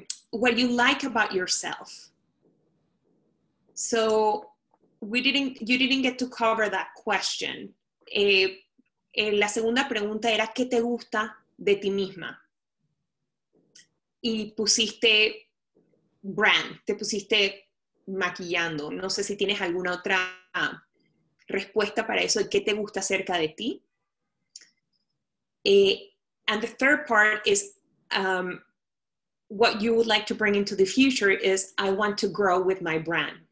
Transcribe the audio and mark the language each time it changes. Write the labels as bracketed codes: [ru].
[en] What you like about yourself. So you didn't get to cover that question. [es] La segunda pregunta era, ¿qué te gusta de ti misma? Y pusiste brand, te pusiste maquillando. No sé si tienes alguna otra respuesta para eso, ¿qué te gusta acerca de ti? [en] And the third part is, what you would like to bring into the future is, I want to grow with my brand.